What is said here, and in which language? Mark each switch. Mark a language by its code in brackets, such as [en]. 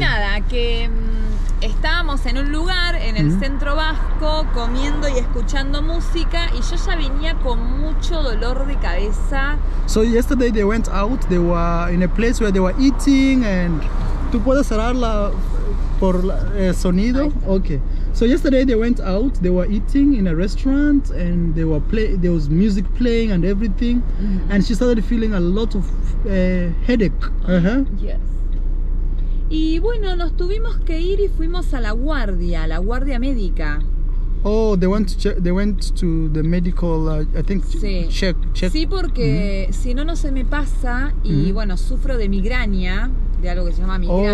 [es] Nada, que estábamos en un lugar, en el centro vasco, comiendo y escuchando música, y yo ya venía con mucho dolor de cabeza. [en] So yesterday they went out, they were in a place where they were eating, and... [es] ¿Tú puedes cerrar la por la, sonido? Okay. [en] So yesterday they went out, they were eating in a restaurant, and they were there was music playing and everything, and she started feeling a lot of headache. Yes. [es] Y bueno, nos tuvimos que ir y fuimos a la guardia médica. [en] Oh, they went to the medical, I think, check. [es] Sí, porque si no, no se me pasa y bueno, sufro de migraña, de algo que se llama migraña.